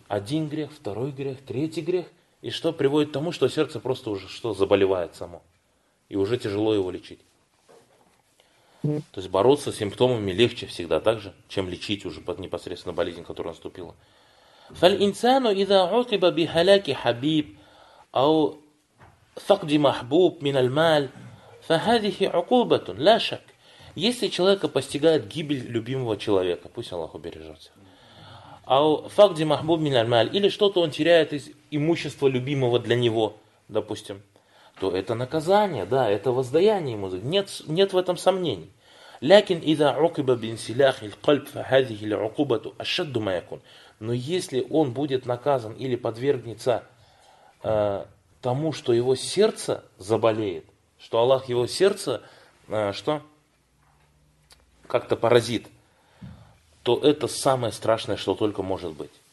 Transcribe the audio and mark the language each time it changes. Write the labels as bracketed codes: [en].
[ru] Один грех, второй грех, третий грех. И что приводит к тому, что сердце просто уже что заболевает само. И уже тяжело его лечить. То есть бороться с симптомами легче всегда так же, чем лечить уже под непосредственно болезнь, которая наступила. [ar] Фаль-инсану иза утиба би халяки хабиб. أو فقد محبوب من المال فهذه عقوبة لا شك. [ru] Если человека постигает гибель любимого человека, пусть Аллах убережет. [ar] أو فقد محبوب من المال, [ru] или что-то он теряет из имущества любимого для него, допустим, то это наказание, да, это воздаяние ему. Нет в этом сомнений. [ar] لكن إذا عقب بانسلاخ القلب فهذه العقوبة أشد ما يكون. [ru] Но если он будет наказан или подвергнется тому, что его сердце заболеет, что Аллах его сердце что как-то поразит, то это самое страшное, что только может быть.